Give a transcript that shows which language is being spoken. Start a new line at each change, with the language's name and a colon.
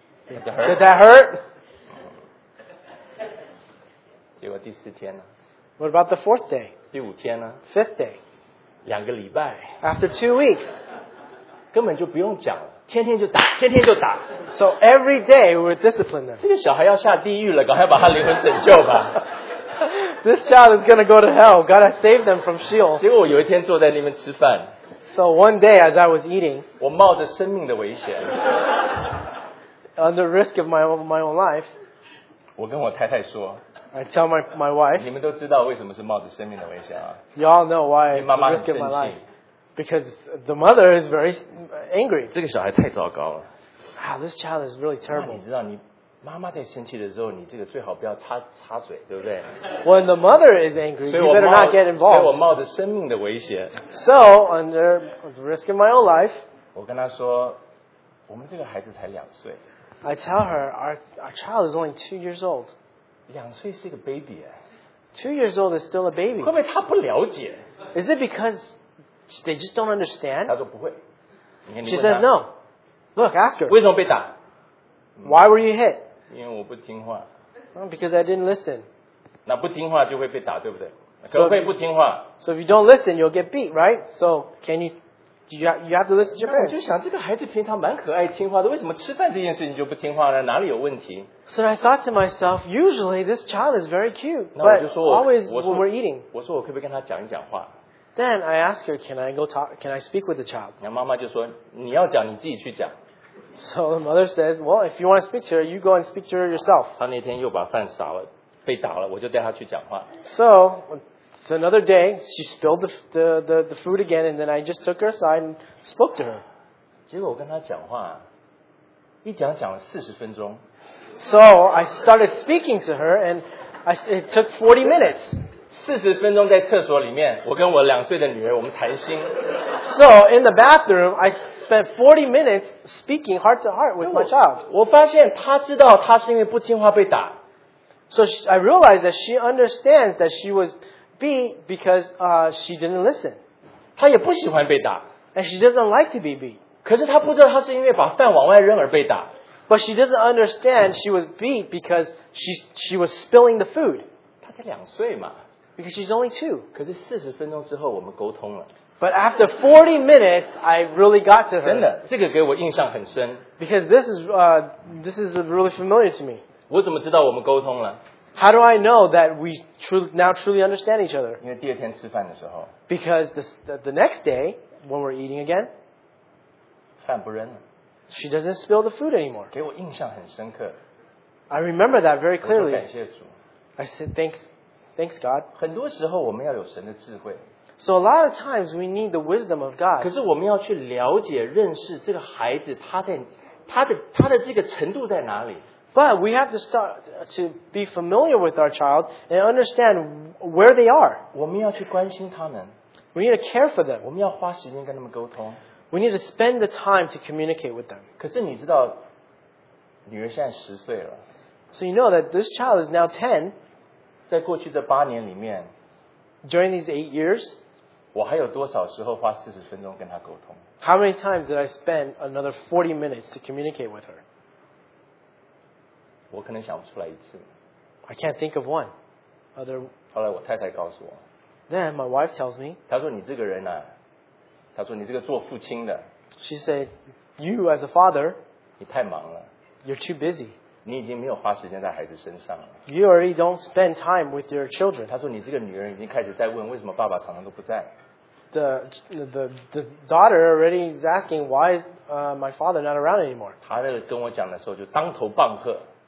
English: Did that hurt?
Chinese: 结果第四天呢?
English: What about the fourth day?
Chinese: 第五天呢?
English: Fifth day.
Chinese: 两个礼拜。
English: After 2 weeks.
Chinese: 根本就不用讲了。天天就打,天天就打。
English: So every day we're disciplined them.
Chinese: 这个小孩要下地狱了,赶快把他灵魂拯救吧。
English: This child is going to go to hell. Gotta save them from Sheol.
Chinese: 结果我有一天坐在那边吃饭。
English: So one day as I was eating,
Chinese: 我冒着生命的危险
English: under risk of my own life,
Chinese: 我跟我太太说
English: I tell my wife,
Chinese: 你们都知道为什么是冒着生命的危险啊
English: You all know why it's a risk of my life. Because the mother is very angry.
Chinese: 这个小孩太糟糕了
English: Wow, this child is really terrible.
Chinese: 你知道你妈妈在生气的时候，你这个最好不要插嘴，对不对
English: ？When the mother is angry, you better not get involved.
Chinese: 所以我冒着生命的危险。
English: So under risk of my own life.
Chinese: 我跟她说，我们这个孩子才两岁。
English: I tell her our child is only 2 years old.
Chinese: 两岁是一个 baby 哎。
English: 2 years old is still a baby.
Chinese: 会不会她不了解
English: ？Is it because they just don't understand?
Chinese: 她说不会。
English: She says no. Look, ask her.
Chinese: 为什么被打？
English: Why were you hit?
Chinese: 因为我不听话。
English: Because I didn't listen.
Chinese: 那不听话就会被打，对不对？可会不听话。
English: So if you don't listen, you'll get beat, right? So can you? You have to listen to your parents.
Chinese: 我就想这个孩子平常蛮可爱、听话的，为什么吃饭这件事情就不听话呢？哪里有问题
English: ？So I thought to myself, usually this child is very cute, but always when we're eating.
Chinese: 我说我可不可以跟他讲一讲话
English: ？Then I asked her, can I go talk? Can I speak with the child?
Chinese: 那妈妈就说你要讲你自己去讲。
English: So the mother says, "Well, if you want to speak to her, you go and speak to her yourself."
Chinese: 他那天又把饭洒了，被打了，我就带他去讲话。
English: So it's another day. She spilled the food again, and then I just took her aside and spoke to her.
Chinese: 结果我跟他讲话，一讲讲了40分钟。
English: So I started speaking to her, and it took 40 minutes.
Chinese: 40分钟在厕所里面，我跟我两岁的女儿，我们谈心。
English: So in the bathroom, I spent 40 minutes speaking heart to heart with my child.
Chinese: 我发现她知道她是因为不听话被打。
English: So I realized that she understands that she was beat because she didn't listen.
Chinese: 她也不喜欢被打。
English: And she doesn't like to be beat.
Chinese: 可是她不知道她是因为把饭往外扔而被打。
English: But she doesn't understand she was beat because she was spilling the food.
Chinese: 她才两岁嘛。
English: Because she's only two.
Chinese: 可是40分钟之后我们沟通了。
English: But after 40 minutes, I really got to her.
Chinese: 真的，这个给我印象很深。
English: Because this is really familiar to me.
Chinese: 我怎么知道我们沟通了
English: ？How do I know that we truly understand each other?
Chinese: 因为第二天吃饭的时候。
English: Because the next day, when we're eating again,
Chinese: 饭不扔了。
English: She doesn't spill the food anymore.
Chinese: 给我印象很深刻。
English: I remember that very clearly.
Chinese: 我说感谢主。
English: I said thanks God.
Chinese: 很多时候我们要有神的智慧。
English: So a lot of times we need the wisdom of God.
Chinese: 可是我们要去了解、认识这个孩子，他的这个程度在哪里
English: ？But we have to start to be familiar with our child and understand where they are.
Chinese: 我们要去关心他们。
English: We need to care for them.
Chinese: 我们要花时间跟他们沟通。
English: We need to spend the time to communicate with them.
Chinese: 可是你知道，女儿现在10岁了。
English: So you know that this child is now 10.
Chinese: 在过去这8年里面。
English: During these 8 years,
Chinese: 我还有多少时候花40分钟跟她沟通
English: ？How many times did I spend another 40 minutes to communicate with her？
Chinese: 我可能想不出来一次。
English: I can't think of one. Other.
Chinese: 后来我太太告诉我。
English: Then my wife tells me.
Chinese: 她说你这个人啊，她说你这个做父亲的。
English: She said, "You as a father."
Chinese: 你太忙了。
English: You're too busy.
Chinese: 你已经没有花时间在孩子身上了。
English: You already don't spend time with your children.
Chinese: 他说你这个女人已经开始在问为什么爸爸常常都不在。
English: The daughter already is asking why is my father not around anymore.
Chinese: 他那个跟我讲的时候就当头棒喝。